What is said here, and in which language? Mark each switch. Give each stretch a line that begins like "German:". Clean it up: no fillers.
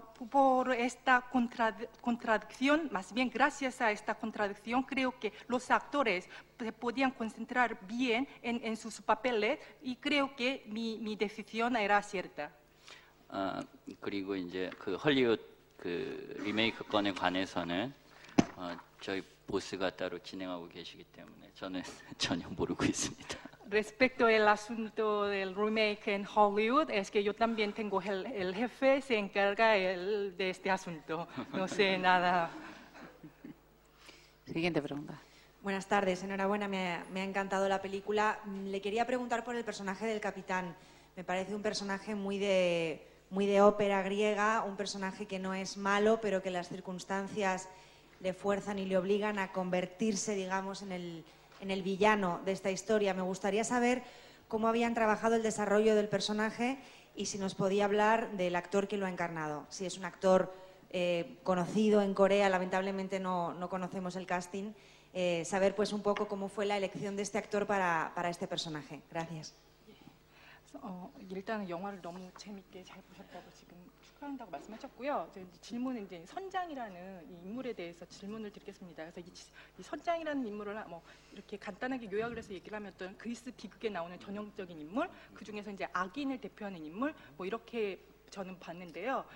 Spanish: Por esta contradicción, más bien gracias a esta contradicción, creo que los actores se podían concentrar bien en sus papeles y creo que mi decisión era cierta.
Korean: 그리고 이제 그 할리우드 그 리메이크 건에 관해서는 저희 보스가 따로 진행하고 계시기 때문에 저는 전혀 모르고 있습니다.
Spanish: respecto al asunto del remake en Hollywood, es que yo también tengo el jefe, se encarga él de este asunto. No sé nada. Siguiente pregunta. Buenas tardes, enhorabuena, me ha encantado la película. Le quería preguntar por el personaje del capitán. Me parece un personaje muy de ópera griega, un personaje que no es malo, pero que las circunstancias le fuerzan y le obligan a convertirse, digamos, en el villano de esta historia. Me gustaría saber cómo habían trabajado el desarrollo del personaje y si nos podía hablar del actor que lo ha encarnado. Si es un actor conocido en Corea, lamentablemente no conocemos el casting. Saber pues un poco cómo fue la elección de este actor para este personaje. Gracias.
Korean: 일단 영화를 너무 재밌게 잘 보셨다고 지금 축하한다고 말씀하셨고요. 질문은 이제 선장이라는 이 인물에 대해서 질문을 드리겠습니다. 그래서 이 선장이라는 인물을 뭐 이렇게 간단하게 요약을 해서 얘기를 하면 어떤 그리스 비극에 나오는 전형적인 인물, 그 중에서 이제 악인을 대표하는 인물, 뭐 이렇게 저는 봤는데요.